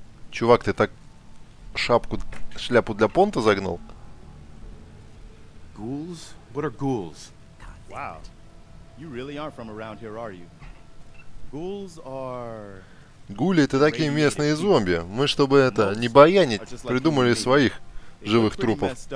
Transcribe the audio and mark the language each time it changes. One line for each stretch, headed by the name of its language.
Russian: Чувак, ты так шапку, шляпу для понта загнал?
English: Ghouls? What are ghouls? Wow. You really aren't from around here, are you? Ghouls are...
Russian: Гули — это такие местные зомби. Мы, чтобы это не баянить, придумали своих живых трупов.